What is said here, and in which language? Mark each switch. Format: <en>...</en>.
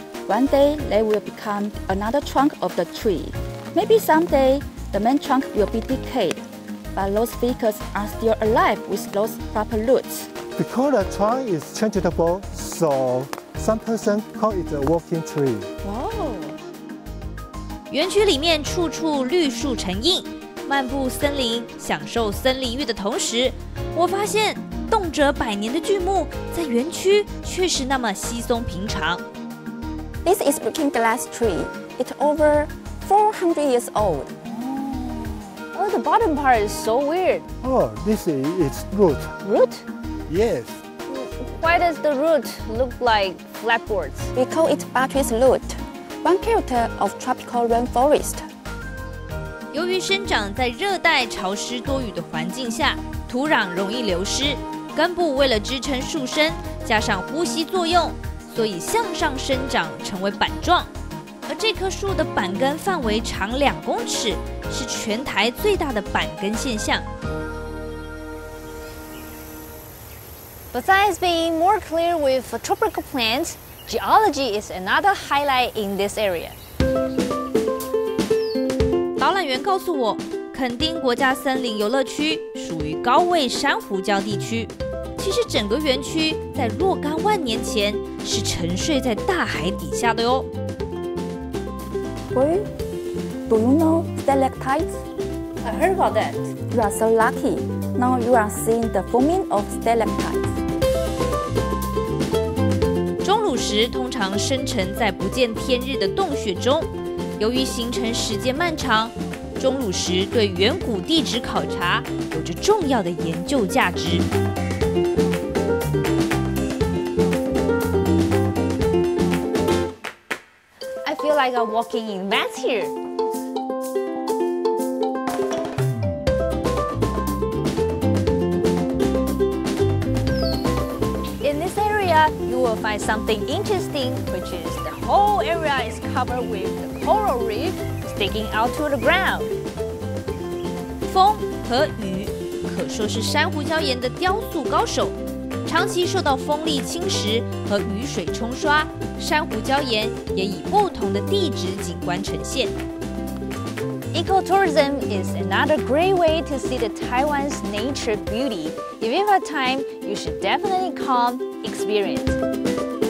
<en>One day, they will become another trunk of the tree. Maybe someday, the main trunk will be decayed. But those ficus are still alive with those proper roots. Because the trunk is changeable, so some person call it a walking tree. Wow!</en> <zh>园区里面处处绿树成荫，漫步森林，享受森林浴的同时，我发现动辄百年的巨木在园区却是那么稀松平常。</zh> <en>This is looking glass tree. It's over 400 years old. Oh, the bottom part is so weird. Oh, this is its root. Root? Yes. Why does the root look like flatboards? We call it buttress root, one character of tropical rainforest.</en> <zh>由于生长在热带潮湿多雨的环境下，土壤容易流失，根部为了支撑树身，加上呼吸作用，所以向上生长成为板状。而这棵树的板根范围长2公尺，是全台最大的板根现象。</zh> <en>Besides being more clear with tropical plants, geology is another highlight in this area.</en> <zh>导览员告诉我，垦丁国家森林游乐区属于高位珊瑚礁地区。其实整个园区在若干万年前是沉睡在大海底下的哟。</zh> <en>Boy, do you know stalactites? I heard about that. You are so lucky. Now you are seeing the forming of stalactites.</en> <zh>钟乳石通常生成在不见天日的洞穴中，由于形成时间漫长，钟乳石对远古地质考察有着重要的研究价值。</zh> <en>Like a walking in mats here. In this area, you will find something interesting, which is the whole area is covered with the coral reef sticking out to the ground.</en> <zh>风和雨可说是珊瑚礁岩的雕塑高手。长期受到风力侵蚀和雨水冲刷，珊瑚礁岩也以不同的地质景观呈现。</zh> <en>Ecotourism is another great way to see the Taiwan's nature beauty. If you have time, you should definitely come experience.</en>